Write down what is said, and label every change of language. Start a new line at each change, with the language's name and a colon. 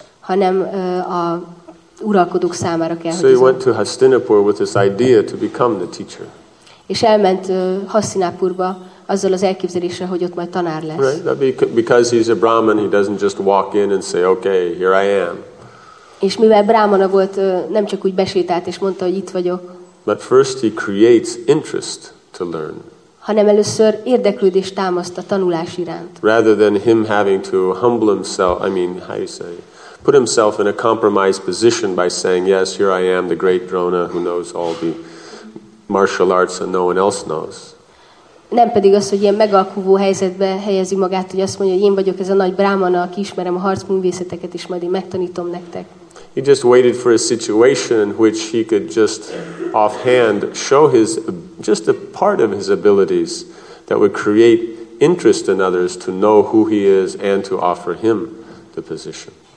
Hungarian: Hanem a uralkodók számára kell.
English: So he went to Hastinapur with this idea to become the teacher.
Hungarian: És elment Hastinapurba azzal az elképzeléssel, hogy ott majd tanár lesz.
English: Right? Because he's a Brahmin, he doesn't just walk in and say, okay, here I am.
Hungarian: És mivel brámana volt, nem csak úgy besétált és mondta, hogy itt vagyok.
English: But first he creates interest to learn.
Hungarian: Hanem először érdeklődést támaszt a tanulás iránt.
English: Rather than him having to humble himself, I mean, how you say, put himself in a compromised position by saying, yes, here I am, the great Drona who knows all the martial arts and no one else knows.
Hungarian: Nem pedig az, hogy ilyen megalkuvó helyzetbe helyezi magát, hogy azt mondja, hogy én vagyok ez a nagy brámana, aki ismerem a harcművészeteket, és majd én megtanítom nektek.
English: He just waited for a situation in which he could just offhand show his, just a part of his abilities that would create interest in others to know who he is and to offer him the position.